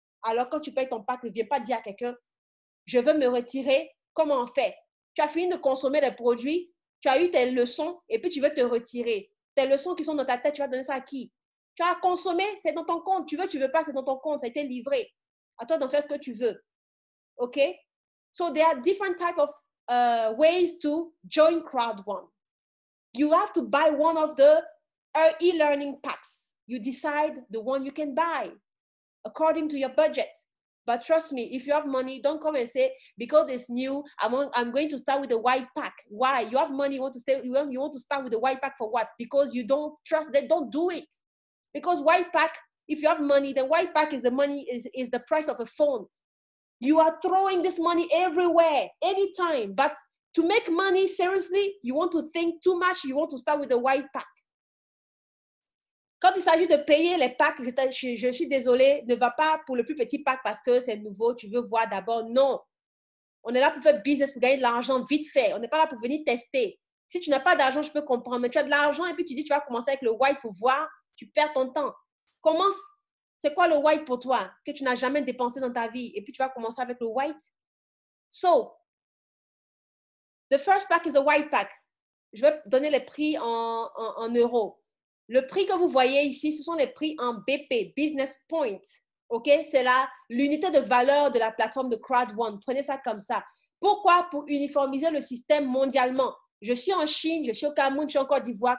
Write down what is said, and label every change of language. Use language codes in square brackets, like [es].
[fr] Alors, quand tu payes ton pack, ne viens pas dire à quelqu'un, je veux me retirer, comment on fait? Tu as fini de consommer les produits, tu as eu tes leçons et puis tu veux te retirer. Tes leçons qui sont dans ta tête, tu vas donner ça à qui? Tu as consommé, c'est dans ton compte. Tu veux pas, c'est dans ton compte. Ça a été livré. À toi d'en faire ce que tu veux. OK? [en] So there are different types of ways to join CrowdOne. You have to buy one of the e-learning packs. You decide the one you can buy according to your budget. But trust me, if you have money, don't come and say, because it's new, I'm going to start with the white pack. Why? You have money, you want to start with the white pack for what? Because you don't trust them, don't do it. Because white pack, if you have money, the white pack is the price of a phone. You are throwing this money everywhere, anytime. But to make money, seriously, you want to think too much. You want to start with the white pack. [fr] Quand il s'agit de payer les packs, je suis désolée, ne va pas pour le plus petit pack parce que c'est nouveau, tu veux voir d'abord. Non. On est là pour faire business, pour gagner de l'argent vite fait. On n'est pas là pour venir tester. Si tu n'as pas d'argent, je peux comprendre. Mais tu as de l'argent et puis tu dis tu vas commencer avec le white pour voir, tu perds ton temps. Commence. C'est quoi le white pour toi que tu n'as jamais dépensé dans ta vie et puis tu vas commencer avec le white? [en] So, the first pack is a white pack. [fr] Je vais donner les prix en euros. Le prix que vous voyez ici, ce sont les prix en BP, Business Point. OK? C'est l'unité de valeur de la plateforme de CrowdOne. Prenez ça comme ça. Pourquoi? Pour uniformiser le système mondialement. Je suis en Chine, je suis au Cameroun, je suis en Côte d'Ivoire.